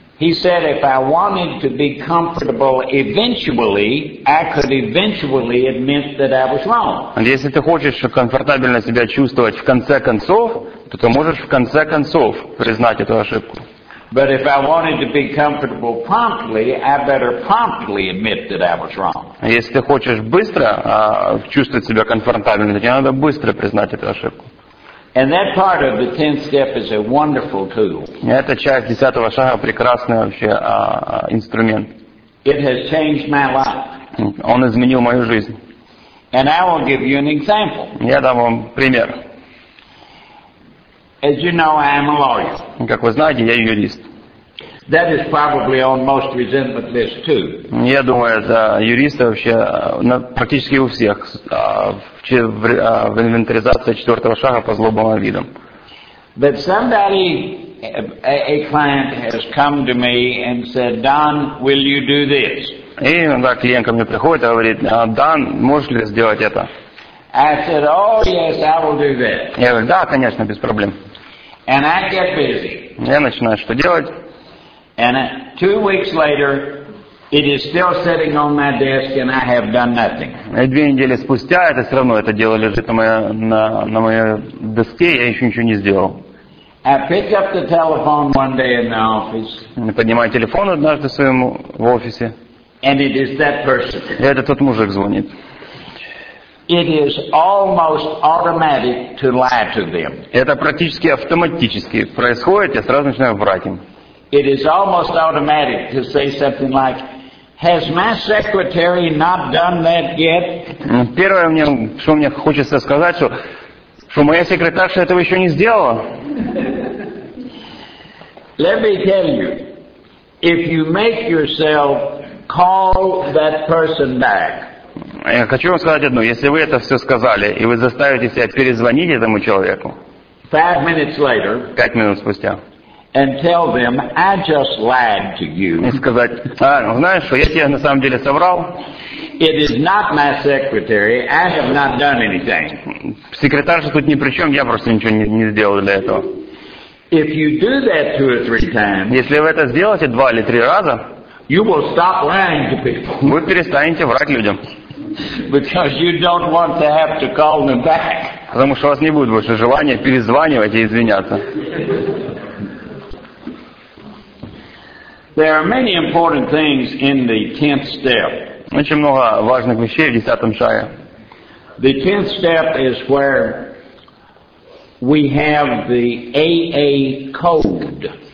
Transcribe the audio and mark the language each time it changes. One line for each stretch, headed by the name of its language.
English: He said if I wanted to be comfortable eventually, I could eventually admit that I was wrong.
Russian: Если ты хочешь комфортабельно себя чувствовать в конце концов, то ты можешь в конце концов признать эту ошибку.
English: But if I wanted to be comfortable promptly, I better promptly admit that I was wrong.
Russian: Если ты хочешь быстро чувствовать себя комфортабельно, тебе надо быстро признать эту ошибку.
English: And that part of the 10th step is a wonderful tool.
Russian: Эта часть 10-го шага прекрасный вообще инструмент.
English: It has changed my life.
Russian: Он изменил мою жизнь.
English: And I will give you an example.
Russian: Я дам вам пример.
English: As you know, I am a lawyer.
Russian: Как вы знаете, я юрист.
English: That is probably on most resentment lists too.
Russian: Я думаю, это юристы вообще практически у всех в инвентаризации 4-го шага по злобным видам.
English: But somebody, a client has come to me and said, Don, will you do this?
Russian: И иногда клиент ко мне приходит и говорит, Дан, можешь ли сделать это?
English: I said, oh yes, I will do that.
Russian: Я говорю, да, конечно, без проблем.
English: And I get busy.
Russian: Я начинаю что делать?
English: And 2 weeks later, it is still sitting on my desk, and I have done nothing.
Russian: И 2 недели спустя это все равно это дело лежит на моей доске, я еще ничего не сделал.
English: I pick up the telephone one day in the office.
Russian: Я поднимаю телефон однажды своему в офисе.
English: And it is that person.
Russian: И это тот мужик звонит.
English: It is almost automatic to lie to them.
Russian: Это практически автоматически происходит, я сразу начинаю врать им.
English: It is almost automatic to say something like, "Has my secretary not done that yet?"
Russian: Первое мне, что мне хочется сказать, что моя секретарша этого еще не сделала.
English: Let me tell you, if you make yourself call that person back.
Russian: Я хочу вам сказать одно: если вы это все сказали и вы заставите себя перезвонить этому человеку.
English: 5 minutes later.
Russian: 5 минут спустя.
English: And tell them I just lied to you.
Russian: И сказать, знаешь, что я тебе на самом деле соврал.
English: It is not my secretary. I have not done anything.
Russian: Секретарша тут ни при чем. Я просто ничего не сделал для этого.
English: If you do that 2 or 3 times,
Russian: если вы это сделаете 2 или 3 раза,
English: you will stop lying to people.
Russian: Вы перестанете врать людям.
English: Because you don't want to have to call them back.
Russian: Потому что у вас не будет больше желания перезванивать и извиняться.
English: There are many important things in the 10th step.
Russian: Очень много важных вещей в 10-м шаге.
English: The 10th step is where we have the AA code.